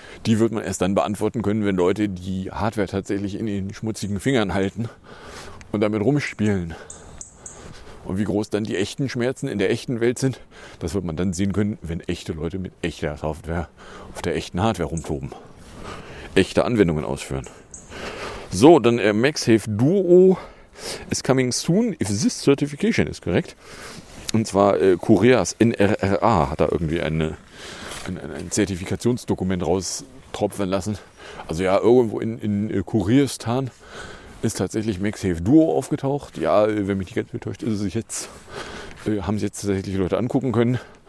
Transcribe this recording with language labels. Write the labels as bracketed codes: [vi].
[de] Die wird man erst dann beantworten können, wenn Leute die Hardware tatsächlich in den schmutzigen Fingern halten und damit rumspielen. Und wie groß dann die echten Schmerzen in der echten Welt sind, das wird man dann sehen können, wenn echte Leute mit echter Software auf der echten Hardware rumtoben. Echte Anwendungen ausführen. So, dann [en] MagSafe Duo is coming soon, if this certification is correct. [de] Und zwar Koreas NRRA hat da irgendwie ein Zertifikationsdokument raustropfen lassen. Also ja, irgendwo in Kuristan ist tatsächlich MagSafe Duo aufgetaucht. Ja, wenn mich nicht ganz enttäuscht, ist es jetzt, haben sie jetzt tatsächlich Leute angucken können.